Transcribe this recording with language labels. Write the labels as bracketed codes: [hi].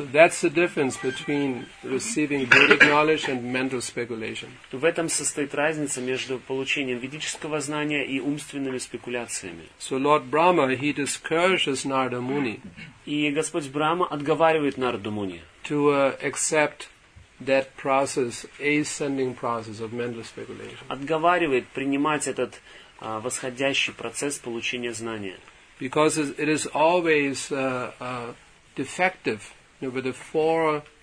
[en] So that's the difference between receiving Vedic knowledge and mental speculation. [ru] В этом состоит разница между получением ведического знания и умственными спекуляциями. [en] So Lord Brahma, he discourages Narada Muni. [ru] И Господь Брама отговаривает Нараду Муни. [en] To accept that process, ascending process of mental speculation. [ru] Отговаривает принимать этот восходящий процесс получения знания. [en] Because it is always defective, you know, with the four